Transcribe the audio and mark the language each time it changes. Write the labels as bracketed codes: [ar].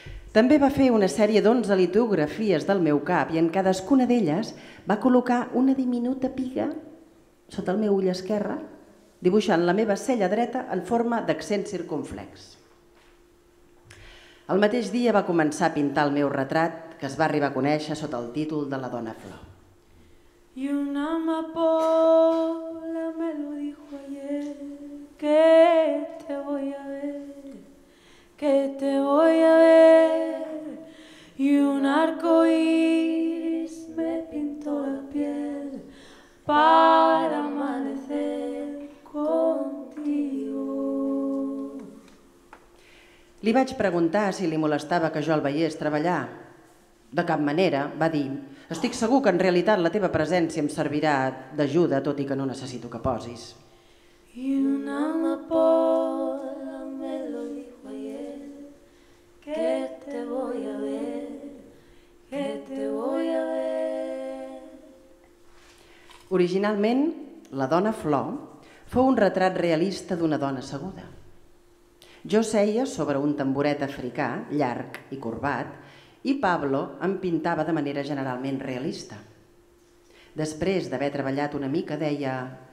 [ca] També va fer una sèrie d'11 litografies del meu cap i en cadascuna d'elles va col·locar una diminuta piga sota el meu ull esquerre, dibuixant la meva cella dreta en forma d'accent circumflex. El mateix dia va començar a pintar el meu retrat, que es va arribar a conèixer sota el títol de la dona flor. [es] Y una amapola me lo dijo ayer, que te voy a ver, que te voy a ver. Y un arco iris me pintó la piel para amanecer contigo. [ca] Li vaig preguntar si li molestava que jo el veiés treballar. De cap manera, va dir, estic segur que en realitat la teva presència em servirà d'ajuda, tot i que no necessito que posis. [es] Y una amapola me lo dijo ayer, que te voy a ver, que te voy a ver. [ca] Originalment, la dona flor fou un retrat realista d'una dona asseguda. Jo seia sobre un tamboret africà, llarg i corbat, i Pablo em pintava de manera generalment realista. Després d'haver treballat una mica, deia...